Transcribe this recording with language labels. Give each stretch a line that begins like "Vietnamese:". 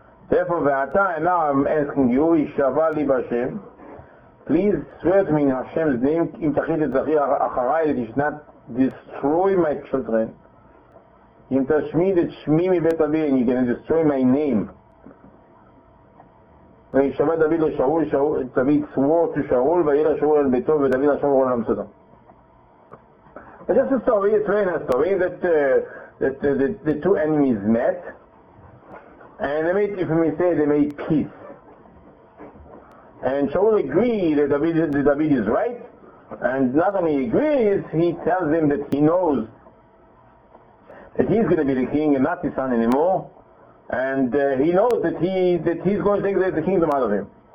English: Therefore,
Hebrew: ועתה,
English: and now I'm asking you,
Hebrew: ישבה לי בהשם,
English: please swear to me in Hashem's name,
Hebrew: אם תחית את זכי אחריי,
English: that you should not destroy my children.
Hebrew: אם תשמיד את שמי מבית אבי,
English: and you're going to destroy my name.
Hebrew: וישמע דוד לשאול, דוד
English: swore to
Hebrew: שאול, וילך שאול אל ביתו, ודוד השם אמר למצדו.
English: Just a story, it's very nice story, that the two enemies met, and they made, if we say, they made peace. And Shaul agreed that David is right, and not only he agrees, he tells him that he knows that he's going to be the king and not his son anymore, and he knows that he's going to take the kingdom out of him.